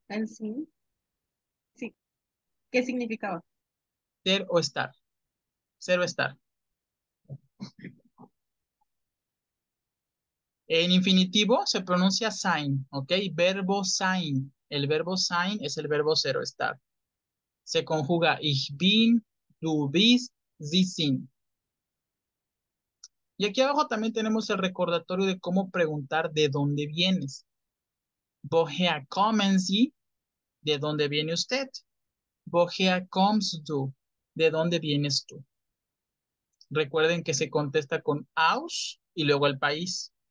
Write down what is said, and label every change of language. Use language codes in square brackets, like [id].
[es] El sí. ¿Qué significaba? ¿Ser o estar? ¿Ser o estar? En infinitivo se pronuncia sein, ¿ok? Verbo sein. El verbo sein es el verbo ser o estar. Se conjuga [de] ich bin, du bist, sie sind. [es] Y aquí abajo también tenemos el recordatorio de cómo preguntar de dónde vienes. [de] Woher kommen Sie? [es] ¿De dónde viene usted? [de] Woher kommst du? [es] ¿De dónde vienes tú? Recuerden que se contesta con aus y luego el país.